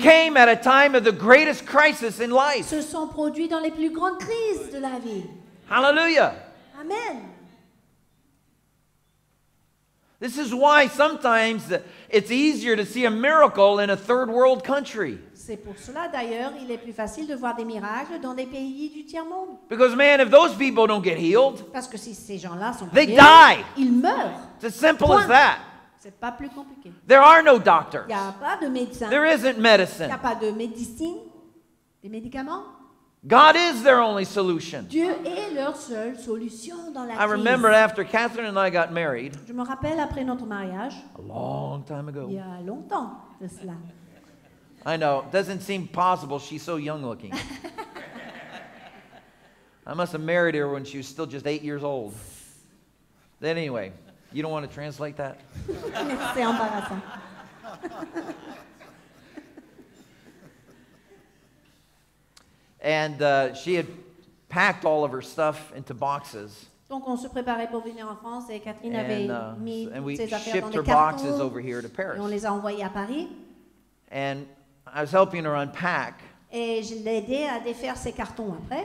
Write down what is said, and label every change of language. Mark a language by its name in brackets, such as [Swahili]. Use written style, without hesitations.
[English] came at a time of the greatest crisis in life, [French] se sont produits dans les plus grandes crises de la vie. [English] Hallelujah. Amen. This is why sometimes it's easier to see a miracle in a third world country. [French] C'est pour cela, d'ailleurs, il est plus facile de voir des miracles dans des pays du tiers-monde. [English] Because, man, if those people don't get healed, [French] parce que si ces gens-là sont [English] they [French] pas Guéris, ils meurent. [English] It's as simple as that. [French] C'est pas plus compliqué. [English] There are no doctors. [French] Il n'y a pas de médecins. [English] There isn't medicine. [French] Il n'y a pas de médecine, des médicaments. [English] God is their only solution. [French] Dieu est leur seule solution dans la crise. [English] I remember after Catherine and I got married, [French] je me rappelle après notre mariage, [English] a long time ago. [French] Il y a longtemps de cela. [English] I know, it doesn't seem possible, she's so young looking. I must have married her when she was still just 8 years old. But anyway, you don't want to translate that? [French] C'est embarrassant. [English] And she had packed all of her stuff into boxes. [French] Donc on se préparait pour venir en France et Catherine and, avait mis ses affaires dans des cartons. [English] And we shipped her boxes over here to Paris. [French] Et on les a envoyés à Paris. [English] And I was helping her unpack. [French] Et je l'ai aidé à défaire ses cartons après.